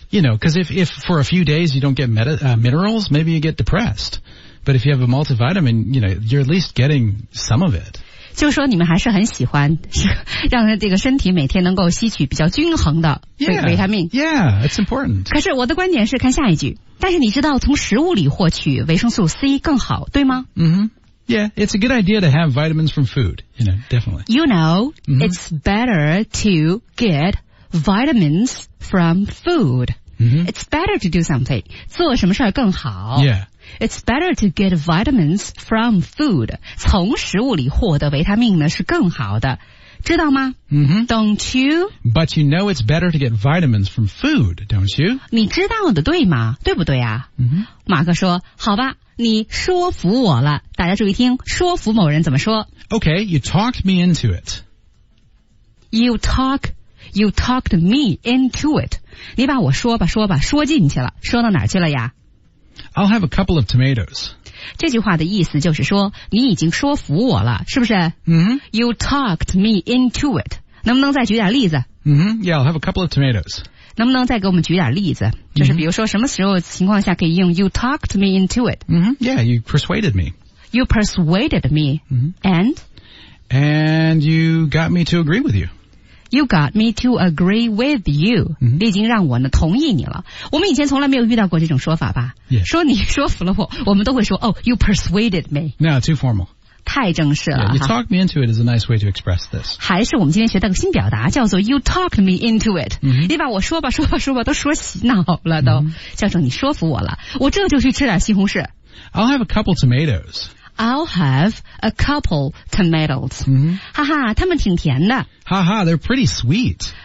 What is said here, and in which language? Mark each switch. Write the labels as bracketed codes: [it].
[en] You know, because if for a few days you don't get minerals, maybe you get depressed. But if you have a multivitamin, you know, you're at least getting some of it. [zh] 就是说你们还是很喜欢是让这个身体每天能够吸取比较均衡的维他命。 [en] Yeah, yeah, it's important. [zh] 可是我的观点是看下一句。但是你知道从食物里获取维生素 C 更好对吗、 [en] mm-hmm. Yeah, it's a good idea to have vitamins from food, you know, definitely. You know,、mm-hmm. it's better to get vitamins from food.、 Mm-hmm. It's better to do something. [zh] 做什么事更好。 [en] Yeah. It's better to get vitamins from food. [zh] 从食物里获得维他命呢是更好的。知道吗、 [en] mm-hmm. Don't you? But you know it's better to get vitamins from food, don't you? [zh] 你知道的对吗对不对啊、 [en] mm-hmm. [zh] 马克说好吧你说服我了。大家注意听说服某人怎么说。 [en] Okay, you talked me into it. You talked me into it. [zh] 你把我说吧说进去了说到哪儿去了呀 [en] I'll have a couple of tomatoes. [zh] 这句话的意思就是说你已经说服我了是不是、 [en] mm-hmm. You talked me into it. [zh] 能不能再举点例子、 [en] mm-hmm. Yeah, I'll have a couple of tomatoes. [zh] 能不能再给我们举点例子就是比如说什么时候情况下可以用 [en] You talked me into it.、 Mm-hmm. Yeah, you persuaded me. You persuaded me.、 Mm-hmm. And? And you got me to agree with you. You got me to agree with you.、 Mm-hmm. [zh] 你已经让我呢同意你了。我们以前从来没有遇到过这种说法吧、 [en] yeah. [zh] 说你说服了我我们都会说 [en] Oh, you persuaded me. No, too formal. [zh] 太正式了。 [en] Yeah, you talked me into it is a nice way to express this. [zh] 还是我们今天学到个新表达叫做 [en] You talked me into it.、 Mm-hmm. [zh] 你把我说吧都说洗脑了都、 [en] mm-hmm. [zh] 叫做你说服我了。我这就去吃点西红柿。 [en] I'll have a couple tomatoes. I'll have a couple tomatoes.、 Mm-hmm. [zh] 哈哈他们挺甜的。 [en] 哈哈 they're pretty sweet.